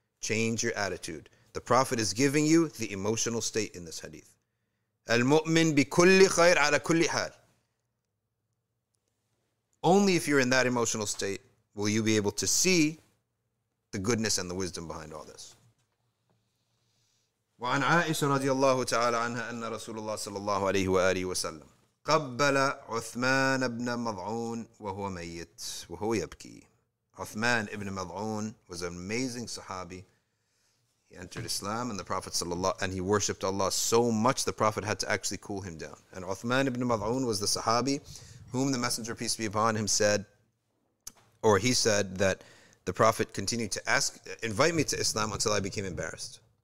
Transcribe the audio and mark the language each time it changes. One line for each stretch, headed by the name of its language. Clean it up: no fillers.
English: Change your attitude. The Prophet is giving you the emotional state in this hadith.
Arabic: Al-mu'min bi kulli khayr ala kulli hal.
English: Only if you're in that emotional state will you be able to see the goodness and the wisdom behind all this.
Arabic: وعن عائشة رضي الله تعالى عنها أن رسول الله صلى الله عليه وآله وسلم قبل عثمان بن مضعون وهو ميت وهو يبكي.
English: Uthman ibn Mad'un was an amazing Sahabi. He entered Islam and the Prophet صلى الله and he worshipped Allah so much the Prophet had to actually cool him down. And Uthman ibn Mad'un was the Sahabi whom the Messenger peace be upon him said, or he said that the Prophet continued to ask, invite me to Islam until I became embarrassed.